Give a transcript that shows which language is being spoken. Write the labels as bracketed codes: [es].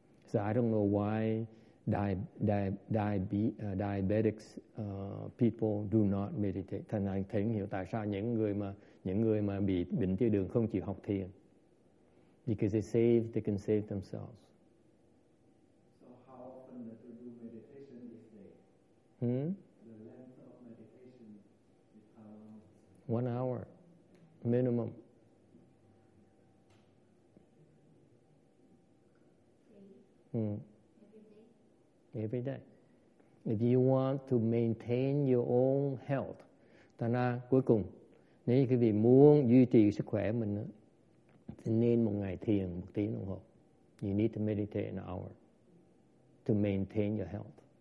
[en] So I don't know why diabetics people do not meditate. [vi] Thành anh thấy hiểu tại sao những người mà bị bệnh tiểu đường không chịu học thiền. [en] Because they can save themselves. So how often do meditation each day? The length of meditation is how long? 1 hour minimum. Every day. If you want to maintain your own health, [vi] thành ra cuối cùng, nếu như quý vị muốn duy trì sức khỏe mình, thì nên một ngày thiền một tiếng đồng hồ. [en] You need to meditate an hour to maintain your health.